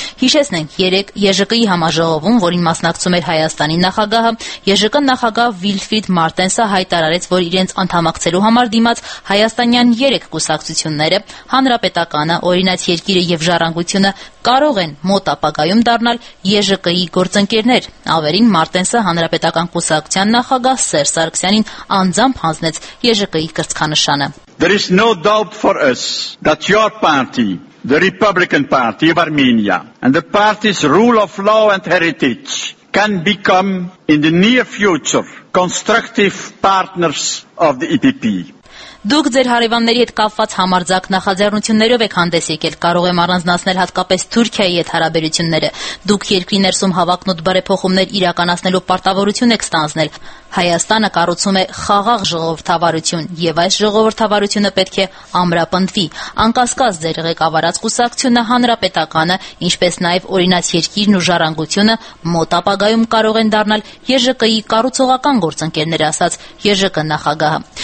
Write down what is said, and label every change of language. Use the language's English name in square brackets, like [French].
[Armenian] Հիշեցնենք, 3 ԵԺԿ-ի համաժողովում, որին մասնակցում էր Հայաստանի նախագահը, ԵԺԿ-ն նախագահ Վիլֆրիդ Մարտենսը հայտարարեց, որ իրենց անդամակցելու համար դիմաց հայաստանյան 3 կուսակցությունները, հանրապետականը, օրինաց երկիրը եւ ժառանգությունը կարող են մոտ ապագայում դառնալ ԵԺԿ-ի գործընկերներ։ Ավերին Մարտենսը հանրապետական կուսակցության նախագահ Սերժ Սարգսյանին անձամբ հանձնեց ԵԺԿ-ի կրծքանշանը։ [English] There is no doubt for us that your party, the Republican Party of Armenia, and the party's rule of law and heritage can become in the near future constructive partners of the EPP. [Armenian] Դուք ձեր հարևանների հետ կապված համարձակ նախաձեռնություններով եք հանդես եկել, կարող եմ առանձնացնել հատկապես Թուրքիայի հետ հարաբերությունները։ Դուք երկրի ներսում հավակնոտ բարեփոխումներ իրականացնելու պարտավորություն եք ստանձնել։ Հայաստանը կառուցում է խաղաղ ժողովրդավարություն, եւ այս ժողովրդավարությունը պետք է ամրապնդվի։ Անկասկած ձեր ղեկավարած կուսակցությունը, հանրապետականը, ինչպես նաեւ օրինաց երկիրն ու ժառանգությունը մոտ ապագայում կարող են դառնալ ԵԺԿ-ի կառուցողական գործընկերներ, ասաց ԵԺԿ նախագահը։